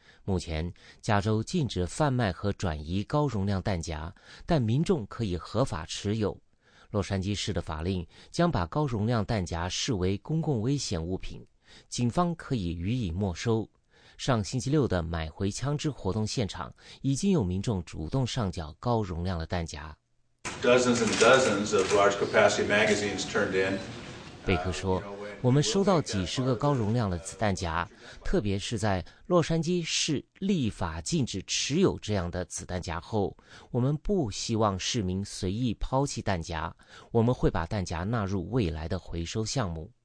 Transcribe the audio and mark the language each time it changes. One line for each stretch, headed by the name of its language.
Chinese: 目前加州禁止贩卖和转移高容量弹夹，但民众可以合法持有。洛杉矶市的法令将把高容量弹夹视为公共危险物品，警方可以予以没收。上星期六的买回枪支活动现场，已经有民众主动上缴高容量的弹夹。
English: Dozens and dozens of large capacity magazines turned in.
Chinese: 贝克说，我们收到几十个高容量的子弹夹，特别是在洛杉矶市立法禁止持有这样的子弹夹后，我们不希望市民随意抛弃弹夹，我们会把弹夹纳入未来的回收项目。